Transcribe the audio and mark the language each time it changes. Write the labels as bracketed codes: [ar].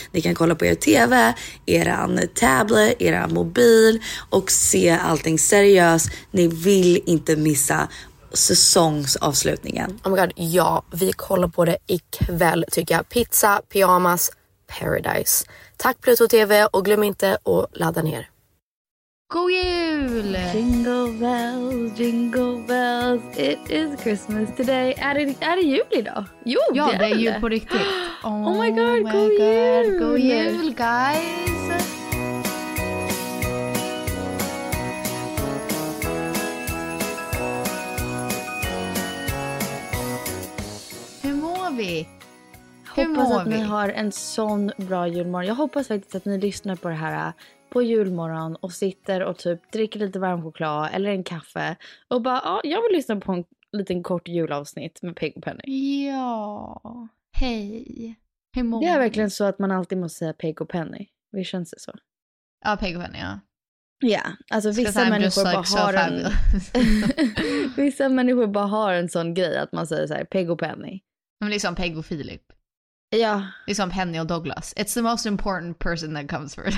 [sv] Ni kan kolla på er TV, er tablet, er mobil och se allting seriöst. Ni vill inte missa säsongsavslutningen. [en] Oh my god, [sv] ja, vi kollar på det ikväll, tycker jag. Pizza, pyjamas, Paradise. Tack Pluto TV och glöm inte att ladda ner. God jul! [en] Jingle bells, it is Christmas today. [sv] Är det jul idag? Jo, ja, det är jul på riktigt. [en] Oh my god, [sv] god jul! God jul, guys! Hur mår vi? Hoppas att ni har en sån bra julmorgon. Jag hoppas faktiskt att ni lyssnar på det här på julmorgon och sitter och typ dricker lite varm choklad eller en kaffe och bara, ja, jag vill lyssna på en liten kort julavsnitt med Pig och Penny. Ja, hej. Hur mår det? Är verkligen så att man alltid måste säga Pig och Penny. Vi känns det så? Ja, Pig och Penny, ja. Ja, alltså vissa människor bara har en sån grej att man säger så här, Pig och Penny. Men liksom Pig och Filip. Ja. Det är som Penny och Douglas. [en] It's the most important person that comes first.